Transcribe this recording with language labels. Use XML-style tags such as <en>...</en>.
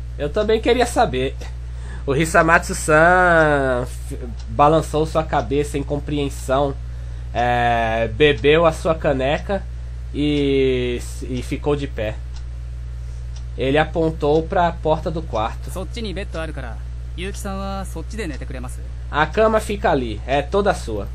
<pt>Eu também queria saber. O Hisamatsu-san balançou sua cabeça em compreensão, bebeu a sua caneca e ficou de pé. Ele apontou para a porta do quarto.</pt> <ja>そっちにベッドあるから、結城さんはそっちで寝てくれます？</ja> <pt>A cama fica ali, é toda sua.</pt>